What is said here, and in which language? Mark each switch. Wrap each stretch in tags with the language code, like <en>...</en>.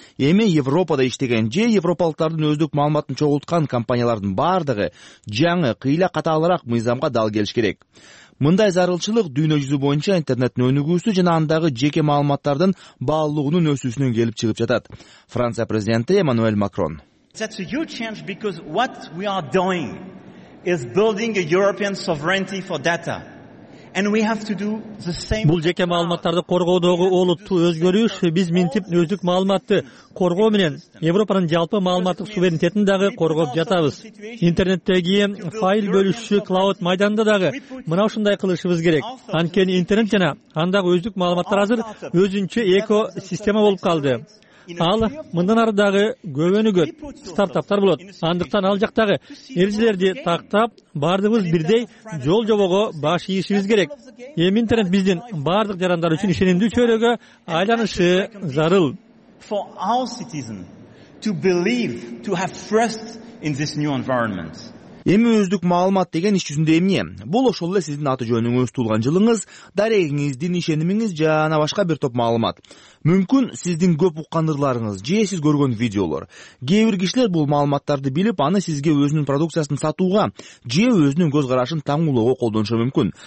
<ky>Эми Европада иштеген же европалыктардын өздүк маалыматын чогулткан компаниялардын баардыгы жаңы кыйла катаалыраак мыйзамга дал келиш керек. Мындай зарылчылык дүйнө жүзү боюнча интернеттин өнүгүүсү жана андагы жеке маалыматтардын баалуулугунун өсүүсүнөн келип чыгып жатат. Франция президенти Эммануэль Макрон.</ky> <en>That's a huge change because what we are doing is building a European sovereignty for data. And we have to do the same.</en> <ky>Бул жеке маалыматтарды коргоодогу олуттуу өзгөрүш биз минтип өздүк маалыматты коргоо менен Европанын жалпы маалыматтык суверенитетин дагы коргоп жатабыз. Интернеттеги файл бөлүшүү клауд майданында дагы мына ушундай кылышыбыз керек. Анткени интернет жана андагы өздүк маалыматтар азыр өзүнчө экосистема болуп калды. Ал мындан ары дагы көбөнүгөт, стартаптар болот. Андыктан ал жактагы эрежелерди тактап, баардыгыбыз бирдей жол жобого баш ийишибиз керек. Эми интернет биздин баардык жарандар үчүн ишенимдүү чөйрөгө айланышы зарыл.</ky> <en>For our citizen to believe, to have trust in this new environment.</en> <ky>Эми өздүк маалымат деген иш жүзүндө эмне? Бул ошол эле сиздин аты жөнүңүз, туулган жылыңыз, дарегиңиздин ишенимиңиз жана башка бир топ маалымат. Мүмкүн сиздин көп уккандырларыңыз же сиз көргөн видеолор. Кээ бир кишилер бул маалыматтарды билип, аны сизге өзүнүн продукциясын сатууга же өзүнүн көз карашын таңуулоого колдонушу мүмкүн.</ky>